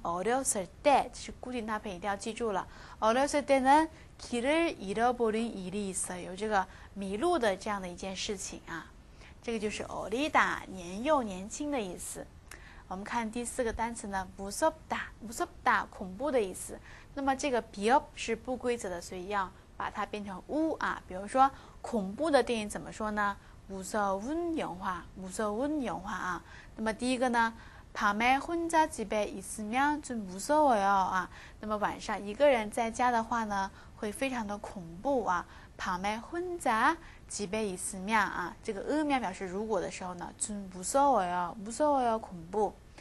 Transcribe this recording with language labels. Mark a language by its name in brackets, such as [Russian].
[Chinese] 어렸을때，这是固定搭配，一定要记住了。 [Korean] 어렸을때는길을잃어버린일이있어요， [Chinese] 有这个迷路的这样的一件事情啊。这个就是어리다，年幼年轻的意思。我们看第四个单词呢，무섭다，무섭다恐怖的意思。那么这个비읍是不规则的，所以要把它变成우啊。比如说恐怖的电影怎么说呢？ [Korean] 무서운영화，무서운영화啊。 [Chinese] 那么第一个呢， [Korean] 밤에혼자집에있으면좀무서워요啊。 [Chinese] 那么晚上一个人在家的话呢，会非常的恐怖啊。 [Korean] 밤에혼자집에있으면 [Chinese] 啊，这个으면表示如果的时候呢， [Korean] 좀무서워요，무서워요， [Chinese] 恐怖。